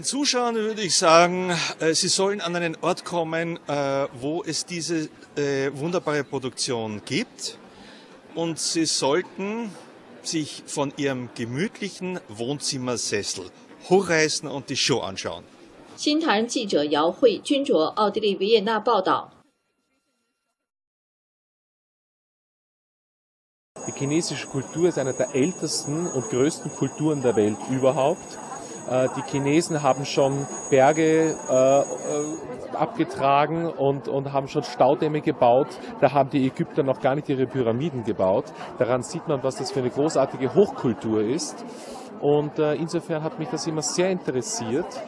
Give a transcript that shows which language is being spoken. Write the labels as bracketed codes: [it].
[de] Den Zuschauern würde ich sagen, sie sollen an einen Ort kommen, wo es diese wunderbare Produktion gibt. Und sie sollten sich von ihrem gemütlichen Wohnzimmersessel hochreißen und die Show anschauen. [zh] 新唐人记者姚慧君卓，奥地利维也纳报道。 [de] Die chinesische Kultur ist eine der ältesten und größten Kulturen der Welt überhaupt. Die Chinesen haben schon Berge abgetragen und haben schon Staudämme gebaut. Da haben die Ägypter noch gar nicht ihre Pyramiden gebaut. Daran sieht man, was das für eine großartige Hochkultur ist. Und insofern hat mich das immer sehr interessiert.